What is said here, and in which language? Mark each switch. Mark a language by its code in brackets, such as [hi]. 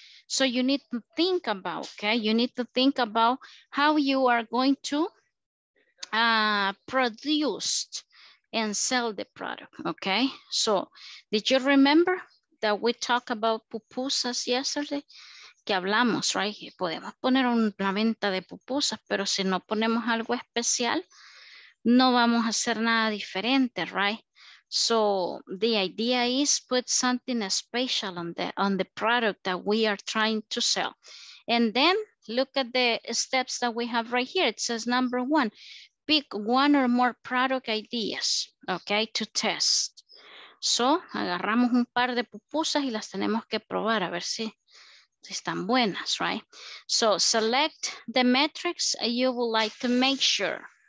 [en] So you need to think about, okay? You need to think about how you are going to produce and sell the product, okay? So did you remember that we talked about pupusas yesterday? [es] Que hablamos, right? Que podemos poner una venta de pupusas, pero si no ponemos algo especial, no vamos a hacer nada diferente, right? [en] So the idea is put something special on the product that we are trying to sell. And then look at the steps that we have right here. It says number one, pick one or more product ideas, okay, to test. [es] So, agarramos un par de pupusas y las tenemos que probar a ver si están buenas, right? [en] So, select the metrics you would like to measure.